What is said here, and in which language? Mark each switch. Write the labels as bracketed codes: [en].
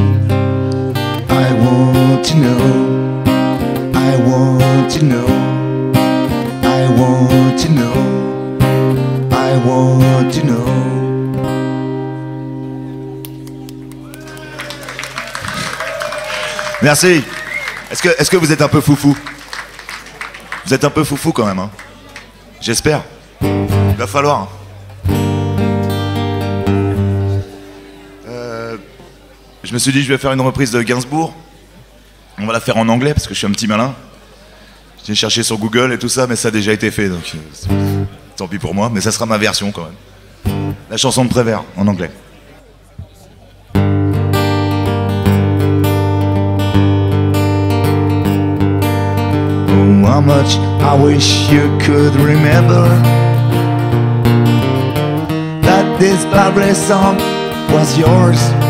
[en] I want to know, I want to know, I want to know, I want to know. [fr] Merci. Est-ce que vous êtes un peu foufou? Vous êtes un peu foufou quand même, hein? J'espère. Il va falloir. Je me suis dit, je vais faire une reprise de Gainsbourg. On va la faire en anglais parce que je suis un petit malin. J'ai cherché sur Google et tout ça, mais ça a déjà été fait. Donc. tant pis pour moi, mais ça sera ma version quand même. La chanson de Prévert, en anglais. [en] Oh, how much I wish you could remember that this Barbara song was yours.